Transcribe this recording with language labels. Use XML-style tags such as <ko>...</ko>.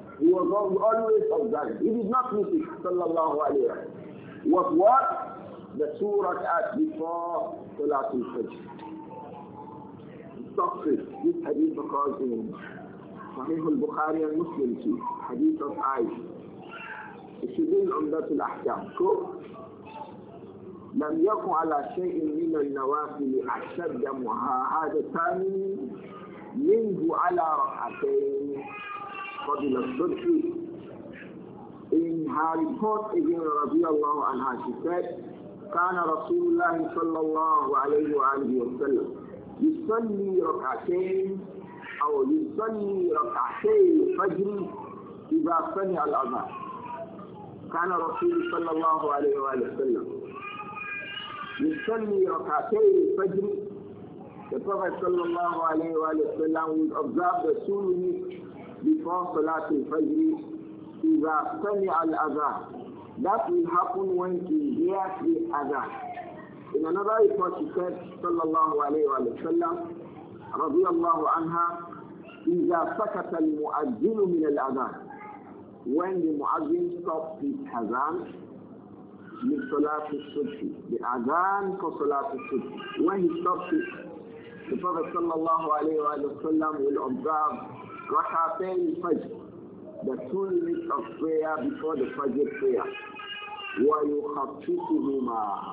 <en>He was always observing. He did not miss it,</en> <ar>sallallahu alayhi wa sallam.</ar> <en>Was what? The 2 rak'at before Salat al-Fajr. He talks to this hadith occurs in Sahih al-Bukhari and Muslim too, hadith of Aisha. It should be in Umdat al-Ahkam.</en> <ar>لم يكن على شيء من النوافل أشد معاهدة منه على ركعتين قبل الصبح.</ar> <en>In her report again,</en> <ar>رضي الله عنها,</ar> <en>she said,</en> <ar>كان رسول الله صلى الله عليه وآله وسلم يصلي ركعتين أو يصلي ركعتين فجر إذا سمع الأذان. كان رسول الله صلى الله عليه وآله وسلم يصلي ركعتين الفجر.</ar> <en>The Prophet</en> <ar>صلى الله عليه وآله وسلم</ar> <en>would observe the 2 minutes before</en> <ar>صلاة الفجر إذا سمع الأذان.</ar> <en>That will happen when he hears the أذان. In another report she said</en> <ar>صلى الله عليه وآله وسلم رضي الله عنها إذا سكت المؤذن من الأذان.</ar> <en>When the</en> <ar>مؤذن</ar> <en>stops his</en> <ar>أذان من صلاة الصبح.</ar> <en>The Adhan for</en> <ar>صلاة الصبح.</ar> <en>When he stops it, the Prophet</en> <ar>صلى الله عليه وآله وسلم</ar> <en>will observe</en> <ar>ركعتين الفجر.</ar> <en>The 2 minutes of prayer before the Fajr prayer.</en> <ar>ويخففهما.</ar>